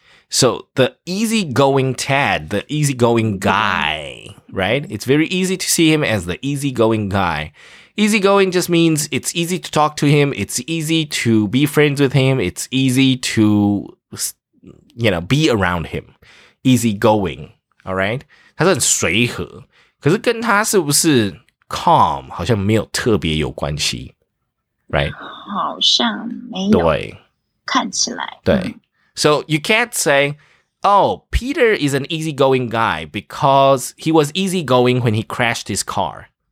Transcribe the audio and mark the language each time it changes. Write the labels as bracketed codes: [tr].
[en] So the easygoing Tad, the easygoing guy, right? It's very easy to see him as the easygoing guy. Easygoing just means it's easy to talk to him. It's easy to be friends with him. It's easy to, you know, be around him. Easygoing, all right? [zh] 他是很随和。可是跟他是不是 calm, 好像没有特别有关系。 [en] Right? [zh] 好像没有。对。看起来。对。 [en] So you can't say, oh, Peter is an easygoing guy because he was easygoing when he crashed his car.